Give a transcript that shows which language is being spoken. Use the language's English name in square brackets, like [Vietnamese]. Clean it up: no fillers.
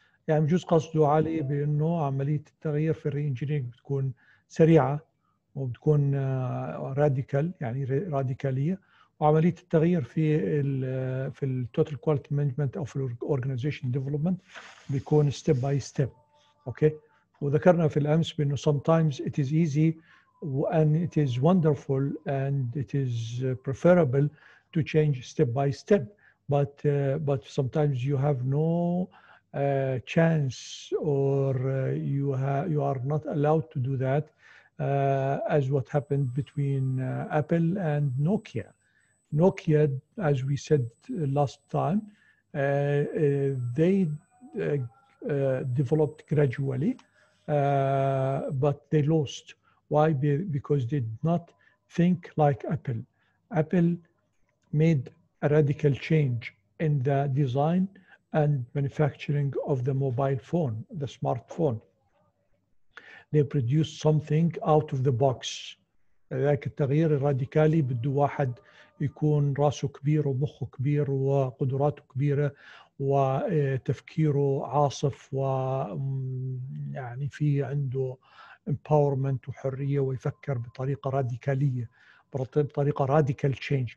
[Arabic] يعني جزء قصده علي بأنه عملية التغيير في re-engineering بتكون سريعة وبتكون راديكال، يعني راديكالية، وعملية التغيير في الـ Total Quality Management أو في الـ Organization Development بيكون [English] step by step. [Arabic] أوكي، وذكرنا في الأمس بأنه [English] sometimes it is easy and it is wonderful and it is preferable to change step by step, but sometimes you have no chance or you are not allowed to do that. As what happened between Apple and Nokia. Nokia, as we said last time, they developed gradually, but they lost. Why? Because they did not think like Apple. Apple made a radical change in the design and manufacturing of the mobile phone, the smartphone. They produce something out of the box. [Arabic] ذاك التغيير الراديكالي بده واحد يكون راسه كبير ومخه كبير وقدراته كبيرة وتفكيره عاصف، ويعني في عنده empowerment وحرية ويفكر بطريقة راديكالية، بطريقة [English] radical change.